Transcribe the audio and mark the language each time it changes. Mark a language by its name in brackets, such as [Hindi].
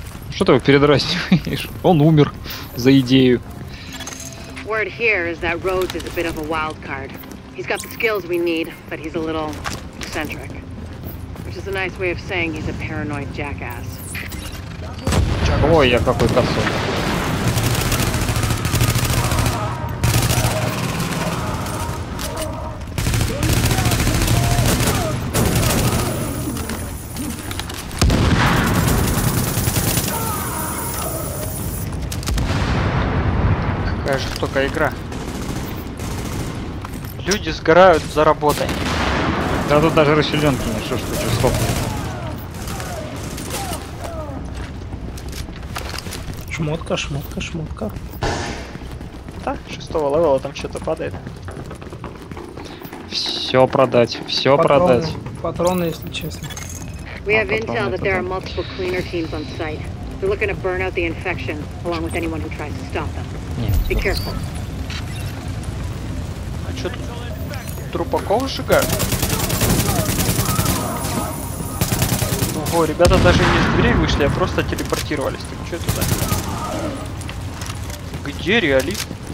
[Russian] Что ты его передразниваешь? Он умер за идею. [English] Word here is that Rhodes is a bit of a wild card. He's got the skills we need, but he's a little eccentric. Which is a nice way of saying he's a paranoid jackass. [Russian] Ой, я какой косой. Только игра. Люди сгорают за работой. Да тут даже расщелёнки не что ж стоп. Шмотка, шмотка, шмотка. Так, шестого левела там что-то падает. Все продать, все продать. Патроны, если честно. [English] We have intel that there are multiple cleaner teams on site. They're looking to burn out the infection along with anyone who tries to stop them. Be careful. [Russian] А чё тут трупаков сжигают? Ого, ребята даже не из дверей вышли, а просто телепортировались. Так чё туда? Где реализм?